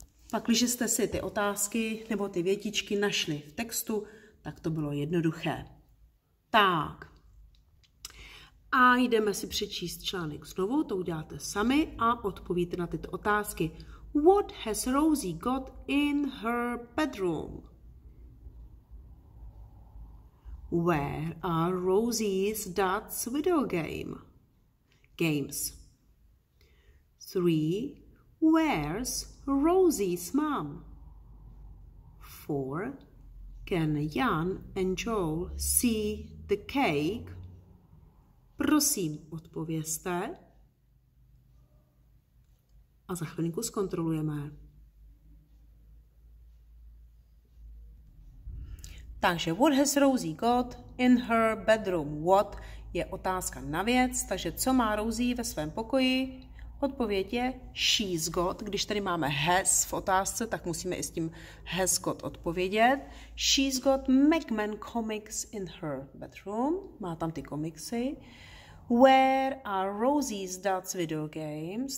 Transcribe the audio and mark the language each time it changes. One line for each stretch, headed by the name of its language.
Czech: Pak, když jste si ty otázky nebo ty větičky našli v textu, tak to bylo jednoduché. Tak. A jdeme si přečíst článek znovu, to uděláte sami a odpovíte na tyto otázky.
English: What has Rosie got in her bedroom? Where are Rosie's dad's video game? Games. 3. Where's Rosie's mom? 4. Can Jan and Joel see the cake?
Czech: Prosím, odpovězte. A za chvilku zkontrolujeme.
English: Takže what has Rosie got in her bedroom?
Czech: What je otázka na věc, takže co má Rosie ve svém pokoji? Odpověď je
English: she's got.
Czech: Když tady máme has v otázce, tak musíme i s tím
English: has got
Czech: odpovědět.
English: She's got Megman comics in her bedroom.
Czech: Má tam ty komiksy.
English: Where are Rosie's dad's video games?